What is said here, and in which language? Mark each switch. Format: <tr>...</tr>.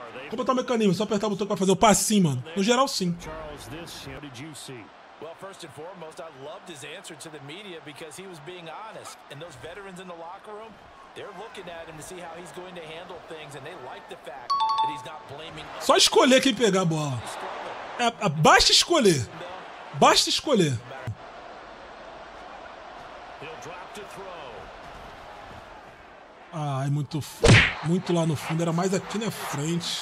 <pt>Como é que tá o mecanismo? Só apertar o botão pra fazer o passe, sim, mano. No geral, sim.</pt> <en>Well, first and foremost, I loved his answer to the media because he was being honest. And those veterans in the locker room, they're looking at him to see how he's going to handle things, and they like the fact that he's not blaming.</en> <pt>Só escolher quem pegar a bola. Basta escolher.</pt> <en>He'll drop to throw.</en> <pt>Ah, é muito muito lá no fundo, era mais aqui na frente.</pt>